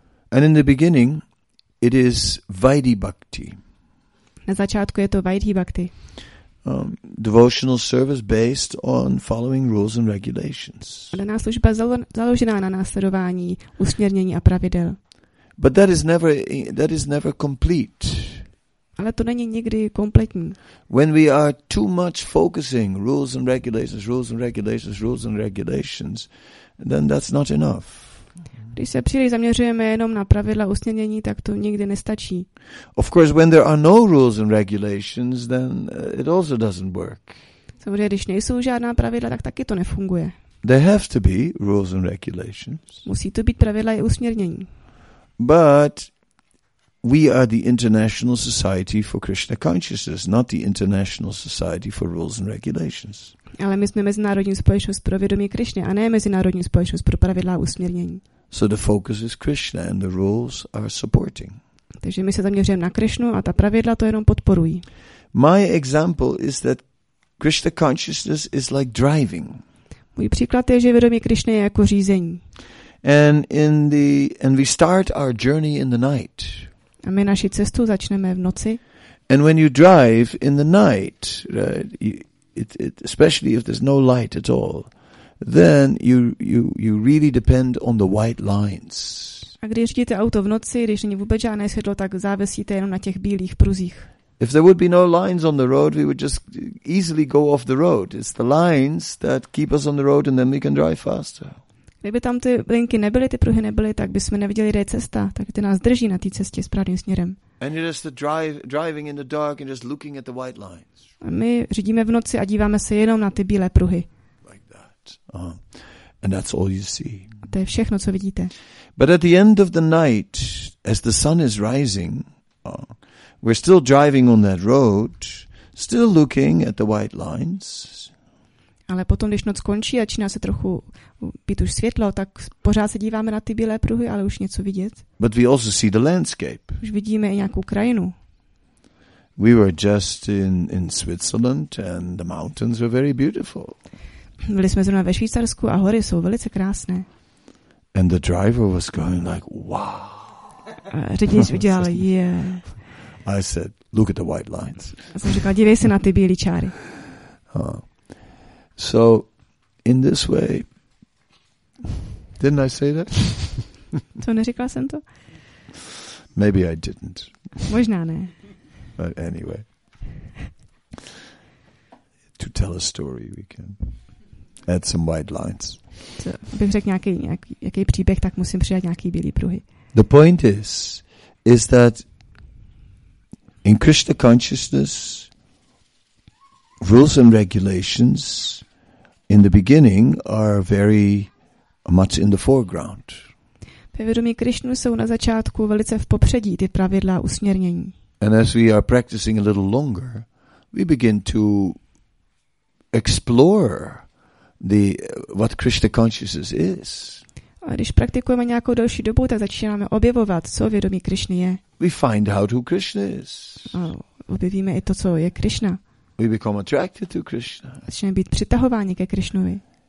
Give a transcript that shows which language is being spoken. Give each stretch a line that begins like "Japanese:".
English: And in the beginning it is Vaidhi Bhakti.
Czech: Na začátku je to Vaidhi Bhakti.
English: Devotional service based on following rules and regulations.
Czech: Daná služba založená na následování usměrnění a pravidel.
English: But that is never complete.
Czech: Ale to není nikdy kompletní.
English: When we are too much focusing rules and regulations, rules and regulations, rules and regulations, then that's not enough.
Czech: Když se příliš zaměřujeme jenom na pravidla usměrnění, tak to nikdy nestačí.
English: Of course, when there are no rules and regulations, then it also doesn't work.
Czech: Samozřejmě, když nejsou žádná pravidla, tak taky to nefunguje.
English: There have to be rules and regulations.
Czech: Musí to být pravidla i usměrnění.
English: But we are the International Society for Krishna Consciousness, not the International Society for Rules and Regulations.
Czech: Ale my jsme mezinárodní společnost pro vědomí Krišny, a ne mezinárodní společnost pro pravidla usměrnění.
English: So the focus is Krishna and the rules are supporting.
Czech: Takže my se zaměřujeme na Krišnu a ta pravidla to jenom podporují.
English: My example is that Krishna consciousness is like driving.
Czech: Můj příklad je, že vědomí Krišny je jako řízení.
English: And we start our journey in the night.
Czech: A my naši cestu začneme v noci.
English: And when you drive in the night, right, it especially if there's no light at all, then you really depend on the white lines.
Czech: A když řídíte auto v noci, když není vůbec žádné světlo, tak závisíte jenom na těch bílých pruzích.
English: If there would be no lines on the road, we would just easily go off the road. It's the lines that keep us on the road and then we can drive faster.
Czech: Kdyby tam ty linky nebyly, ty pruhy nebyly, tak bychom neviděli, kde je cesta, tak ty nás drží na té cestě správným směrem.
English: And you're just driving in the dark and just looking at the white lines.
Czech: A my řídíme v noci a díváme se jenom na ty bílé pruhy.
English: And that's all you see.
Czech: A to je všechno, co vidíte.
English: But at the end of the night, as the sun is rising, we're still driving on that road, still looking at the white lines.
Czech: Ale potom, když noc skončí a začíná se trochu být už světlo, tak pořád se díváme na ty bílé pruhy, ale už něco vidět.
English: But we also see the landscape.
Czech: Už vidíme i nějakou krajinu.
English: We were just in Switzerland and the mountains were very beautiful.
Czech: Byli jsme zrovna ve Švýcarsku a hory jsou velice krásné.
English: And the driver was going like, wow.
Czech: A řidič udělal, yeah.
English: I said, look at the white lines.
Czech: A jsem říkal, dívej se na ty bílé čáry.
English: So, in this way, didn't I say that?
Czech: To neříkal jsem to?
English: Maybe I didn't.
Czech: Možná ne.
English: But anyway, to tell a story, we can add some white lines.
Czech: To, abych řekl nějaký příběh, tak musím přidat nějaký bílý pruhy.
English: The point is that in Krishna consciousness, rules and regulations in the beginning are very much in the foreground.
Czech: Ve vědomí Krišnu jsou na začátku velice v popředí ty pravidla usměrnění.
English: And as we are practicing a little longer, we begin to explore the what Krishna consciousness is.
Czech: A když praktikujeme nějakou delší dobu, tak začínáme objevovat, co vědomí Krišny je.
English: We find out who Krishna is.
Czech: A objevíme i to, co je Krišna.
English: We become attracted to Krishna.
Czech: Začneme být přitahováni ke Krišnovi.